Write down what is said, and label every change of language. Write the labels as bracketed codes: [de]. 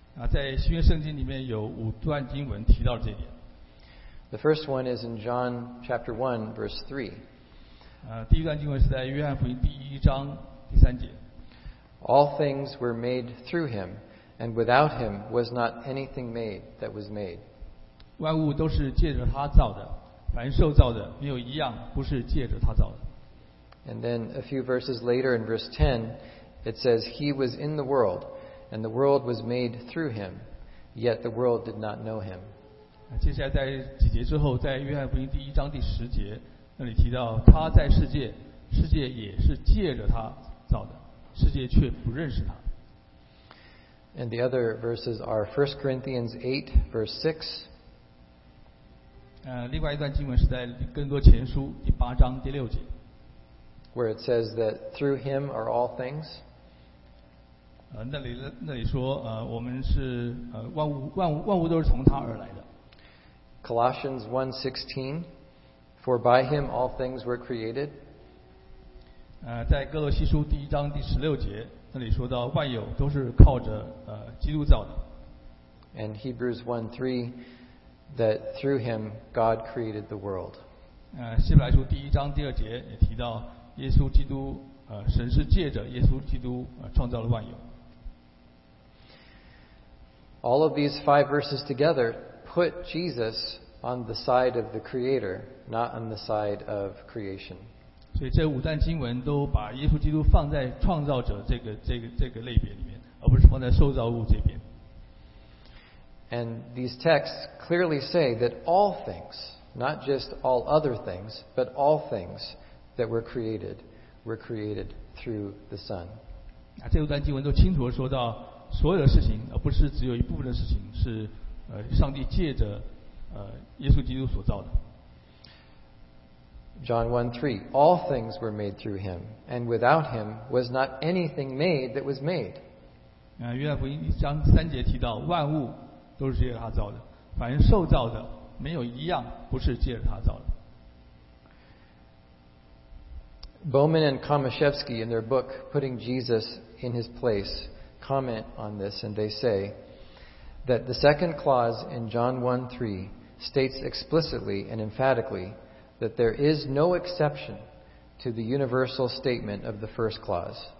[zh] 在新约圣经里面有五段经文提到这一点。 [en] The first one is in John chapter 1, verse 3. [zh] 第一段经文是在约翰福音第一章第三节。 [en] All things were made through him. And without him was not anything made that was made. [zh] 万物都是借着他造的，凡受造的没有一样不是借着他造的。 [en] And then a few verses later in verse 10, it says, He was in the world, and the world was made through him, yet the world did not know him. [zh] 接下来在几节之后，在约翰福音第一章第十节，那里提到他在世界，世界也是借着他造的，世界却不认识他。 [en] And the other verses are 1 Corinthians 8, verse 6. [zh] 另外一段经文是在《更多前书》第八章第六节。 [en] Where it says that through him are all things. [zh] 那里说我们是万物都是从他而来的。 [en] Colossians 1:16, for by him all things were created. [zh] 在《哥罗西书》第一章第十六节。那里说到万有都是靠着基督造的。 [en] And Hebrews 1:3, that through him God created the world. [zh] 希伯来书第一章第二节也提到耶稣基督神是借着耶稣基督创造了万有。 [en] All of these five verses together put Jesus on the side of the creator, not on the side of creation. [zh] 所以这五段经文都把耶稣基督放在创造者这个类别里面，而不是放在受造物这边。 [en] And these texts clearly say that all things, not just all other things, but all things that were created through the Son. [zh] 这五段经文都清楚地说到所有的事情，而不是只有一部分的事情是上帝借着耶稣基督所造的。 [en] John 1:3, all things were made through him, and without him was not anything made that was made. [zh] 约翰福音一章三节提到，万物都是借着他造的，凡受造的没有一样不是借着他造的。 [en] Bowman and Komaszewski in their book Putting Jesus in His Place comment on this, and they say that the second clause in John 1:3 states explicitly and emphatically. That there is no exception to the universal statement of the first clause.